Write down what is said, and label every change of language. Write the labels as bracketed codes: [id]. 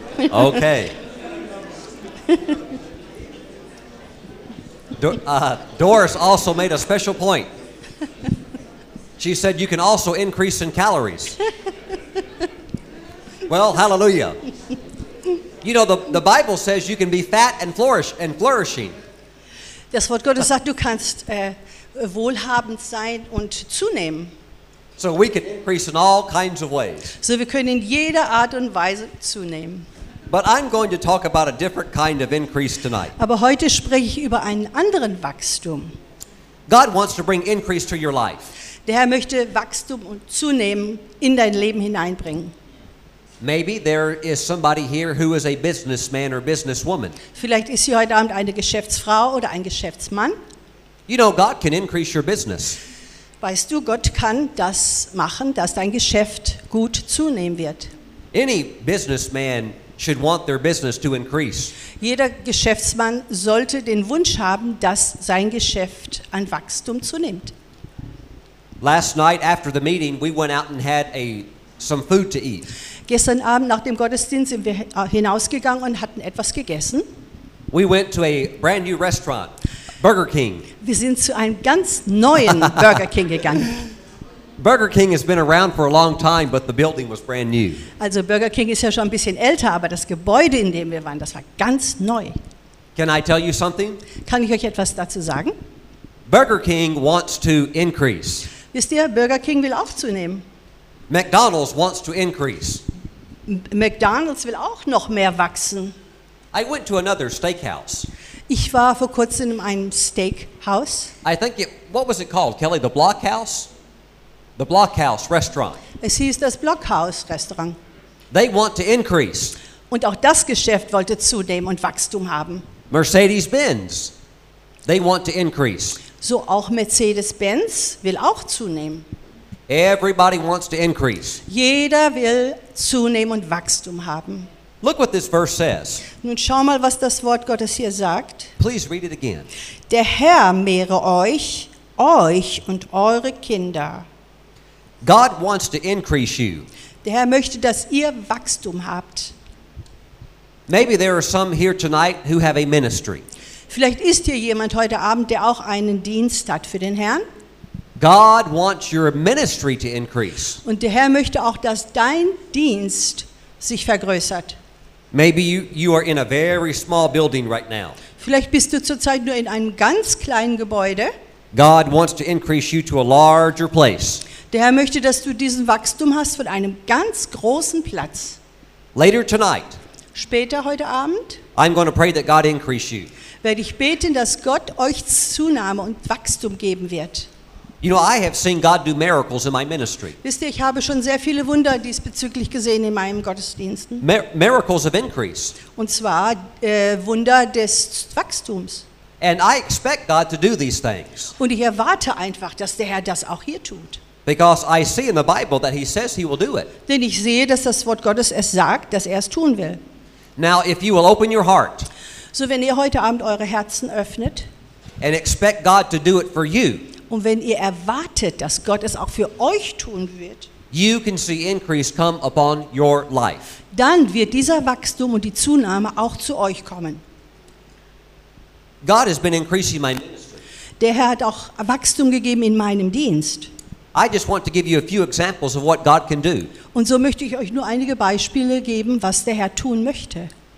[en] Okay. Doris also made a special point. She said you can also increase in calories. Well, hallelujah. You know, the Bible says you can be fat and flourishing. [de] Das Wort Gottes sagt, du kannst wohlhabend sein und zunehmen. [en] So we can increase in all kinds of ways. [de] So wir können in jeder Art und Weise zunehmen. [en] But I'm going to talk about a different kind of increase tonight. [de] Aber heute spreche ich über einen anderen Wachstum. [en] God wants to bring increase to your life. [de] Der Herr möchte Wachstum und Zunehmen in dein Leben hineinbringen. [en] Maybe there is somebody here who is a businessman or businesswoman. [de] Vielleicht ist sie heute Abend eine Geschäftsfrau oder ein Geschäftsmann. [en] You know, God can increase your business. [de] Weißt du, Gott kann das machen, dass dein Geschäft gut zunehmen wird. [en] Any businessman should want their business to increase. [de] Jeder Geschäftsmann sollte den Wunsch haben, dass sein Geschäft an Wachstum zunimmt. [en] Last night after the meeting, we went out and had some food to eat. [de] Gestern Abend nach dem Gottesdienst sind wir hinausgegangen und hatten etwas gegessen. [en] We went to a brand new restaurant, Burger King. [de] Wir sind zu einem ganz neuen Burger King gegangen. [en] Burger King has been around for a long time, but the building was brand new. [de] Also Burger King ist ja schon ein bisschen älter, aber das Gebäude, in dem wir waren, das war ganz neu. [en] Can I tell you something? [de] Kann ich euch etwas dazu sagen? [en] Burger King wants to increase. [de] Wisst ihr, Burger King will aufzunehmen. [en] McDonald's wants to increase. [de] McDonald's will auch noch mehr wachsen. [en] I went to another steakhouse. [de] Ich war vor kurzem in einem Steakhouse. [en] I think it, what was it called, Kelly? The Blockhouse? The Blockhouse Restaurant. [de] Es hieß das Blockhouse Restaurant. [en] They want to increase. [de] Und auch das Geschäft wollte zunehmen und Wachstum haben. [en] Mercedes-Benz. They want to increase. [de] So auch Mercedes-Benz will auch zunehmen. [en] Everybody wants to increase. [de] Jeder will zunehmen und Wachstum haben. [en] Look what this verse says. [de] Nun schau mal, was das Wort Gottes hier sagt. [en] Please read it again. [de] Der Herr mehre euch, euch und eure Kinder. [en] God wants to increase you. [de] Der Herr möchte, dass ihr Wachstum habt. [en] Maybe there are some here tonight who have a ministry. [de] Vielleicht ist hier jemand heute Abend, der auch einen Dienst hat für den Herrn. [en] God wants your ministry to increase. [de] Und der Herr möchte auch, dass dein Dienst sich vergrößert. [en] Maybe you are in a very small building right now. [de] Vielleicht bist du zurzeit nur in einem ganz kleinen Gebäude. [en] God wants to increase you to a larger place. [de] Der Herr möchte, dass du diesen Wachstum hast von einem ganz großen Platz. [en] Later tonight. [de] Später heute Abend. [en] I'm going to pray that God increase you. [de] Werde ich beten, dass Gott euch Zunahme und Wachstum geben wird. [en] You know, I have seen God do miracles in my ministry. [de] Wisst ihr, ich habe schon sehr viele Wunder diesbezüglich gesehen in meinem Gottesdiensten. [en] Miracles of increase. [de] Und zwar Wunder des Wachstums. [en] And I expect God to do these things. [de] Und ich erwarte einfach, dass der Herr das auch hier tut. [en] Because I see in the Bible that he says he will do it. [de] Denn ich sehe, dass das Wort Gottes es sagt, dass er es tun will. [en] Now if you will open your heart. [de] So wenn ihr heute Abend eure Herzen öffnet. [en] And expect God to do it for you. [de] Und wenn ihr erwartet, dass Gott es auch für euch tun wird, [en] you can see increase come upon your life. [de] Dann wird dieser Wachstum und die Zunahme auch zu euch kommen. [en] God has been increasing my ministry. [de] Der Herr hat auch Wachstum gegeben in meinem Dienst. [en] I just want to give you a few examples of what God can do. [de] Und so möchte ich euch nur einige Beispiele geben, was der Herr tun möchte.